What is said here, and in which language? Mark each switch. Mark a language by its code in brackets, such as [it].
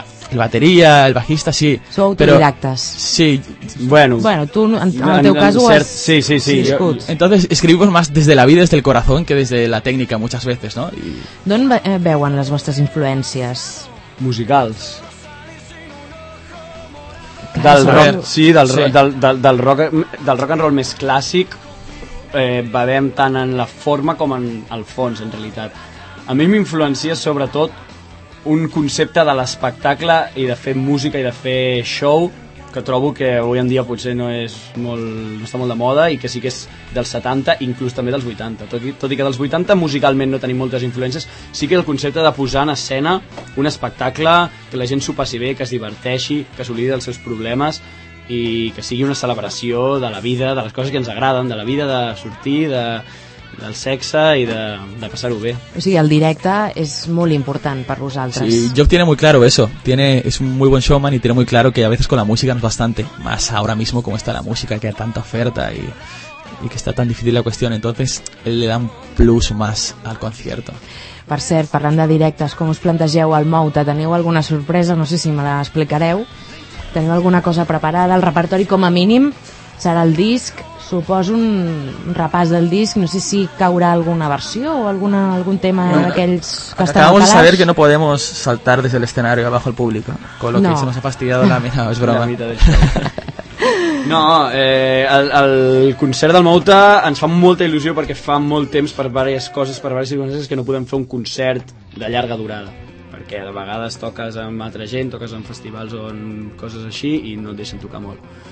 [es] El batería, el bajista, sí. [ca] Sou autodidactes. [es] Pero, sí. Bueno, [ca] tú en el teu caso... Sí. [es] Entonces escribimos más desde la vida, desde el corazón, que desde la técnica muchas veces, ¿no? [ca] ¿D'on veuen [es] las vuestras influencias? [ca] musicals. Del rock, sí, del, sí. Del rock and roll més clàssic, bevem tant en la forma com en el fons, en realitat. A mi m'influencia sobretot un concepte de l'espectacle i de fer música i de fer show que trobo que avui en dia potser no és molt, no està molt de moda i que sí que és dels 70, inclús també dels 80. Tot i que dels 80 musicalment no tenim moltes influències, sí que el concepte de posar en escena un espectacle, que la gent s'ho passi bé, que es diverteixi, que s'oblidi dels seus problemes i que sigui una celebració de la vida, de les coses que ens agraden, de la vida, de sortir, de, del sexe i de passar-ho bé. O sigui, el directe és molt important per vosaltres. [es] Sí, Job tiene muy claro eso. Tiene, es un muy buen showman y tiene muy claro que a veces con la música no es bastante. Más ahora mismo como está la música, que hay tanta oferta y que está tan difícil la cuestión. Entonces, él le da un plus más al concierto. [ca] Per cert, parlant de directes, com us plantegeu el Mouta? Teniu alguna sorpresa? No sé si me l'explicareu. Teniu alguna cosa preparada? El repertori, com a mínim, serà el disc... Suposo un repàs del disc, no sé si caurà alguna versió o alguna, algun tema d'aquells que estan [es] acabamos de saber que no podemos saltar des del escenario abajo al público, con lo no. Que se nos ha fastidiado la mina, es broma. [ca] No, el concert del Mouta ens fa molta il·lusió perquè fa molt temps, per diverses coses, per diverses circumstàncies, que no podem fer un concert de llarga durada. Perquè de vegades toques amb altra gent, toques en festivals o en coses així i no et deixen tocar molt.